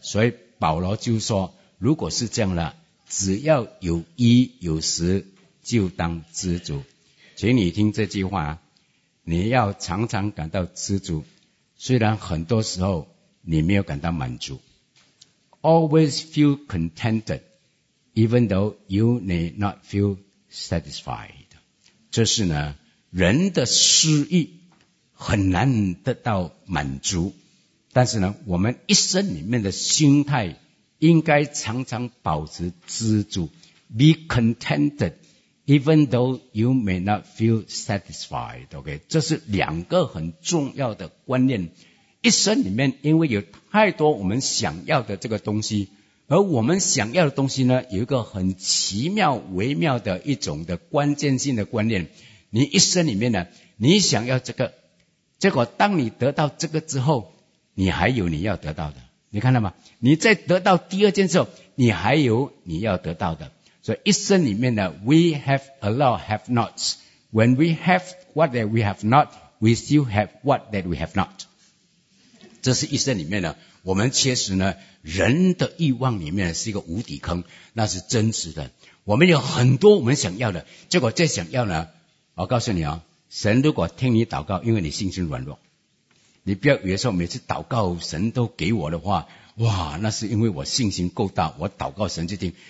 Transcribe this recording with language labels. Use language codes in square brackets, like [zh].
[zh] 所以保罗就说，如果是这样了，只要有衣有食就当知足。请你听这句话，你要常常感到知足，虽然很多时候你没有感到满足。 [en] Always feel contented, even though you may not feel satisfied. [zh] 这是呢，人的私欲很难得到满足，但是呢，我们一生里面的心态应该常常保持知足。 [en] Be contented, even though you may not feel satisfied. [zh] OK, 这是两个很重要的观念。一生里面因为有太多我们想要的这个东西，而我们想要的东西呢，有一个很奇妙微妙的一种的关键性的观念，你一生里面呢，你想要这个，结果当你得到这个之后，你还有你要得到的，你看到吗？你在得到第二件之后，你还有你要得到的。所以一生里面呢， We have a lot have nots. [en] When we have what that we have not, we still have what that we have not. [zh] 这是一生里面呢，我们确实呢，人的欲望里面是一个无底坑，那是真实的。我们有很多我们想要的，结果再想要呢，我告诉你哦，神如果听你祷告，因为你信心软弱，你不要以为说每次祷告神都给我的话，哇，那是因为我信心够大，我祷告神就听。